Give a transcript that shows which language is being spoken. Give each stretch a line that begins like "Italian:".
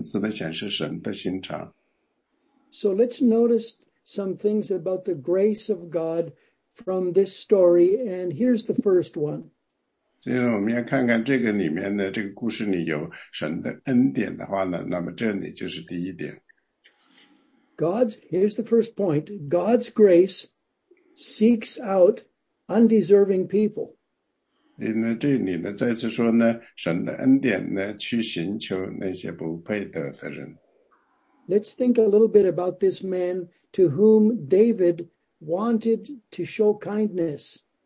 Chinese: 这个里面呢，你看看第三节，你说呢？他说呢，我要照神的仁慈待他。其实呢，这个时候他想他向大扫罗的后人呢显示呢的仁慈呢显示神的心肠。
English: So let's notice some things about the grace of God from this story, and here's the first one.
Chinese: 所以我们要看看这个里面的这个故事里有神的恩典的话呢，那么这里就是第一点。
English: Here's the first point. God's grace seeks out undeserving people.
Chinese: 这里呢再次说呢，神的恩典呢，去寻求那些不配得的人。
English: Let's think a little bit about this man to whom David wanted to show kindness.